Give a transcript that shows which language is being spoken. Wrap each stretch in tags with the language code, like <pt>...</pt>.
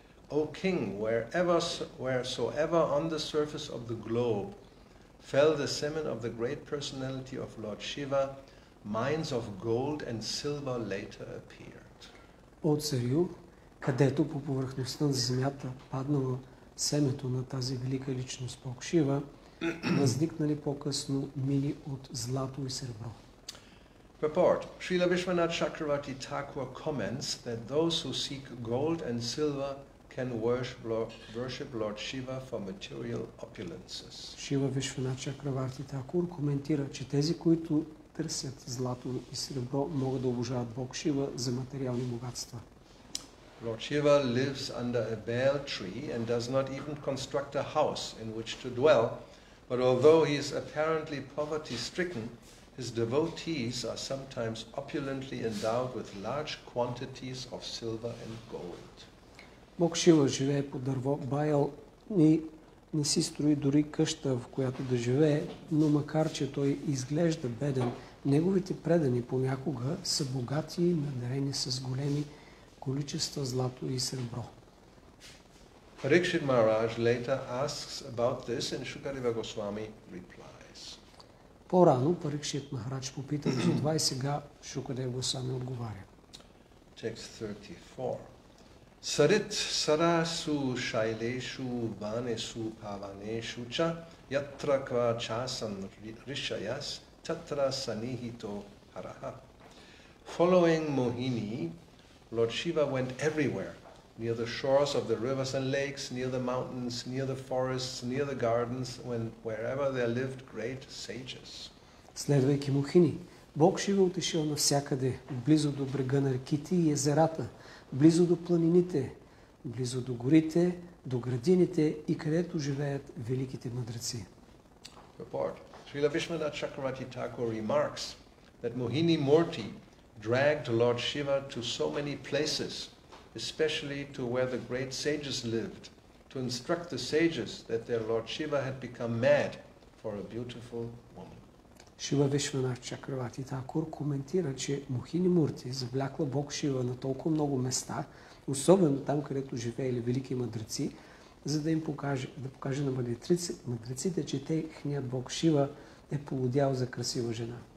<en>O king, wheresoever on the surface of the globe fell the semen of the great personality of Lord Shiva, mines of gold and silver later appeared.</en> <bg>О царю, където по повърхността на земята паднало семето на тази велика личност Бог Шива, възникнали по-късно мини от злато и сребро.</bg> <en>Purport. Srila Vishwanath Chakravarti Thakur comments that those who seek gold and silver can worship Lord Shiva for material opulences.</en> <bg>Шива Вишванача Кроварти Такур коментира, че тези, които търсят злато и сребро, могат да обожават Бог Шива за материални богатства.</bg> <en>Lord Shiva lives under a bale tree and does not even construct a house in which to dwell, but although he is apparently poverty-stricken, his devotees are sometimes opulently endowed with large quantities of silver and gold.</en> <bg>Бог Шива живее под дърво Байл и не си строи дори къща, в която да живее, но макар че той изглежда беден, неговите предани понякога са богати и надарени с големи количества злато и сребро.</bg> <en>Parikshit Maharaj later asks about this and Shukadeva Goswami replies.</en> <bg>По-рано Parikshit Maharaj попита за това и сега Shukadeva Goswami отговаря.</bg> <en>Text 34.</en> <sa>Sarit sarasu shaileshu vanesu pavaneshu cha yatra kva chasan rishayas tatra sanihito haraha.</sa> <en>Following Mohini, Lord Shiva went everywhere, near the shores of the rivers and lakes, near the mountains, near the forests, near the gardens, wherever there lived great sages.</en> <bg>Следвайки Мохини, Бог Шива отишъл навсякъде, близо до брега на реките и езерата, близо до планините, близо до горите, до градините и където живеят великите мъдреци.</bg> <en>Report. Srila Vishwanatha Chakravarti Thakur remarks that Mohini Murti dragged Lord Shiva to so many places, especially to where the great sages lived, to instruct the sages that their Lord Shiva had become mad for a beautiful woman.</en> <bg>Шива Вишванатха Чакравати Такур коментира, че Мохини Мурти завлякла Бог Шива на толкова много места, особено там, където живеели велики мъдреци, за да им покаже, да покаже на мъдреците, че техният Бог Шива е полудял за красива жена.</bg>